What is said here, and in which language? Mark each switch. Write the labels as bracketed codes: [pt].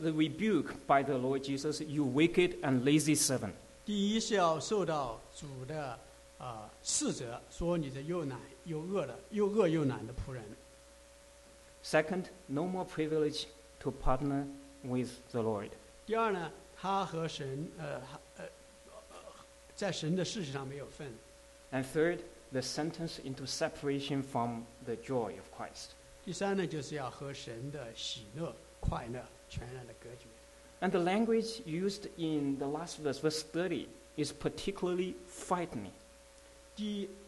[en] the rebuke by the Lord Jesus, you wicked and lazy servant. [zh] 第一是要受到主的斥责，说你这又懒又恶的，又恶又懒的仆人。 [en] Second, no more privilege to partner with the Lord. [zh] 第二呢，他和神在神的事情上没有份。 [en] And third, the sentence into separation from the joy of Christ. [zh] 第三呢，就是要和神的喜乐、快乐全然的隔绝。 [en] And the language used in the last verse, verse 30, is particularly frightening.